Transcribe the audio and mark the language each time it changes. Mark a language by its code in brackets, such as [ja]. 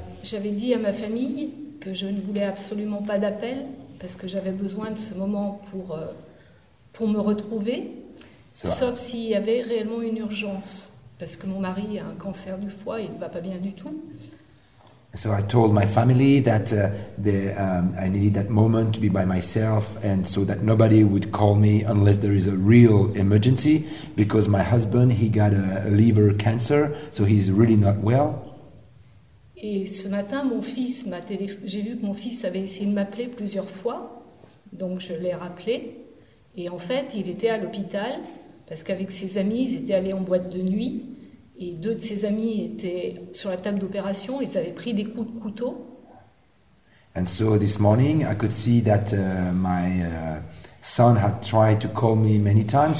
[fr] J'avais dit à ma famille que je ne voulais absolument pas d'appel parce que j'avais besoin de ce moment pour me retrouver. C'est sauf vrai. S'il y avait réellement une urgence parce que mon mari a un cancer du foie et il ne va pas bien du tout. [en] So I told my family that I needed that moment to be by myself and so that nobody would call me unless there is a real emergency because my husband, he got a liver cancer, so he's really not well. [fr] Et ce matin, mon fils m'a j'ai vu que mon fils avait essayé de m'appeler plusieurs fois, donc je l'ai rappelé. Et en fait, il était à l'hôpital parce qu'avec ses amis, ils étaient allés en boîte de nuit. Et deux de ses amis étaient sur la table d'opération. Ils avaient pris des coups de couteau. [en] And so this morning, I could see that my son had tried to call me many times.